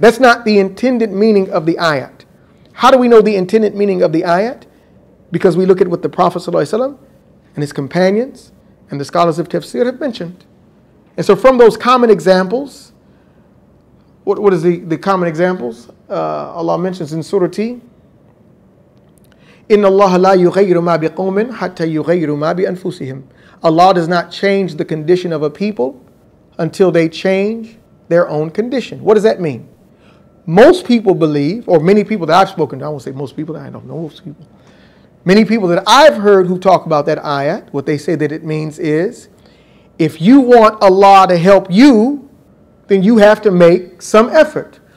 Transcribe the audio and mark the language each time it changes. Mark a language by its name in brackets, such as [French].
[English] That's not the intended meaning of the ayat. How do we know the intended meaning of the ayat? Because we look at what the Prophet ﷺ and his companions and the scholars of tafsir have mentioned. And so from those common examples, what is the common examples? Allah mentions in Surah T, [Arabic] إِنَّ اللَّهَ لَا يُغَيْرُ مَا بِقَوْمٍ حَتَّى يُغَيْرُ مَا بِأَنفُسِهِمْ. [English] Allah does not change the condition of a people until they change their own condition. What does that mean? Most people believe, or many people that I've spoken to, I won't say most people, I don't know most people. Many people that I've heard who talk about that ayat, what they say that it means is, if you want Allah to help you, then you have to make some effort.